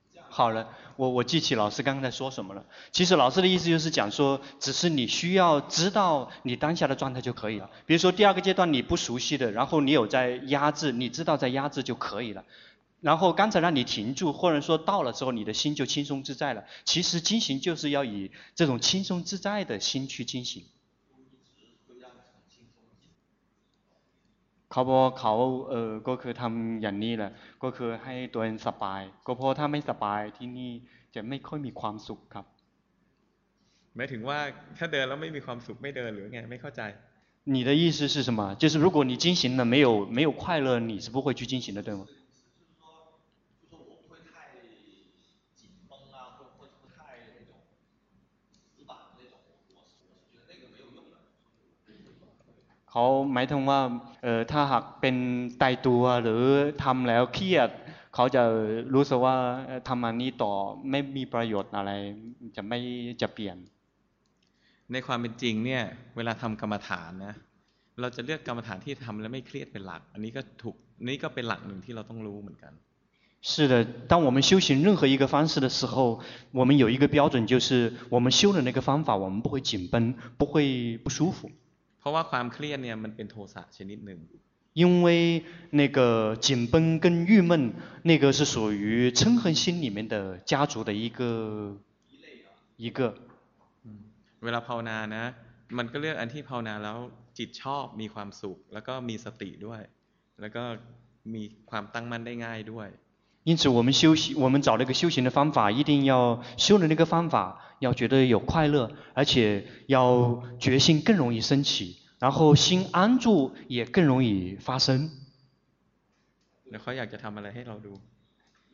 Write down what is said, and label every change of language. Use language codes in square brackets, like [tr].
[zh] 好了，我记起老师刚才说什么了。其实老师的意思就是讲说，只是你需要知道你当下的状态就可以了。比如说第二个阶段你不熟悉的，然后你有在压制，你知道在压制就可以了。然后刚才让你停住，或者说到了之后你的心就轻松自在了。其实进行就是要以这种轻松自在的心去进行。 [th] เขาบอกเขาก็คือทำอย่างนี้แหละก็คือให้ตัวเองสบายก็เพราะถ้าไม่สบายที่นี่จะไม่ค่อยมีความสุขครับ หมายถึงว่าถ้าเดินแล้วไม่มีความสุขไม่เดินหรือไงไม่เข้าใจ [zh] 你的意思是什么就是如果你进行了没有快乐你是不会去进行的对吗 [th] เขาหมายถึงว่าถ้าหากเป็นตายตัวหรือทำแล้วเครียดเขาจะรู้สึกว่าทำอันนี้ต่อไม่มีประโยชน์อะไรจะไม่จะเปลี่ยน ในความเป็นจริงเนี่ยเวลาทำกรรมฐานนะเราจะเลือกกรรมฐานที่ทำแล้วไม่เครียดเป็นหลักอันนี้ก็ถูกนี่ก็เป็นหลักหนึ่งที่เราต้องรู้เหมือนกัน [zh] 是的当我们修行任何一个方式的时候我们有一个标准就是我们修的那个方法我们不会紧绷不会不舒服 [th] เพราะว่าความเครียดเนี่ยมันเป็นโทสะชนิดหนึ่ง [zh] 因为那个紧绷跟郁闷那个是属于嗔恨心里面的家族的一个 [th] เวลาภาวนานะมันก็เลือกอันที่ภาวนาแล้วจิตชอบมีความสุขแล้วก็มีสติด้วยแล้วก็มีความตั้งมั่นได้ง่ายด้วย [zh] 因此我们修行我们找了一个修行的方法一定要修的那个方法要觉得有快乐而且要决心更容易升起然后心安住也更容易发生那他想做什么给老师看